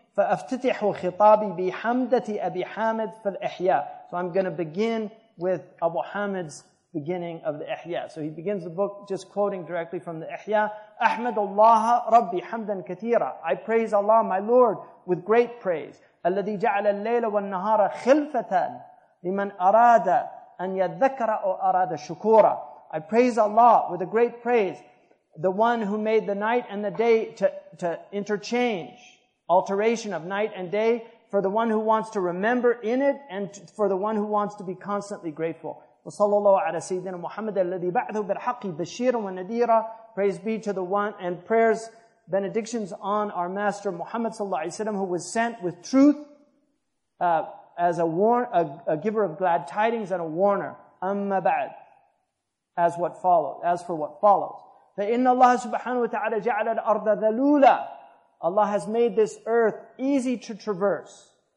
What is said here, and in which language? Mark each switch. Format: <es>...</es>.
<ar>فَأَفْتِتِحُ خِطَابِي بِحَمْدَةِ أَبِي حَامِدٍ فَالْإِحْيَاءِ.</ar> <en>So I'm going to begin with Abu Hamid's beginning of the Ihya. So he begins the book just quoting directly from the Ihya.</en> <ar>أَحْمَدُ اللَّهَ رَبِّي حَمْدًا كَثِيرًا.</ar> <en>I praise Allah, my Lord, with great praise.</en> <ar>الذي جعل الليل والنهار خلفة لمن أراد أن يذكر أو أراد شكورا.</ar> <en>I praise Allah with a great praise, the one who made the night and the day to interchange, alteration of night and day, for the one who wants to remember in it and for the one who wants to be constantly grateful.</en> <ar>وصلى الله على سيدنا محمد الذي بعثه بالحق بشيرا ونذيرا.</ar> <en>Praise be to the one, and prayers, benedictions on our master Muhammad sallallahu alaihi wasallam, who was sent with truth as a giver of glad tidings and a warner.</en> <ar>Amma ba'd,</ar> <en>as for what follows.</en> <ar>Fa inna Allah subhanahu wa ta'ala ja'ala al-ardha dhalula.</ar> <en>Allah has made this earth easy to traverse.</en>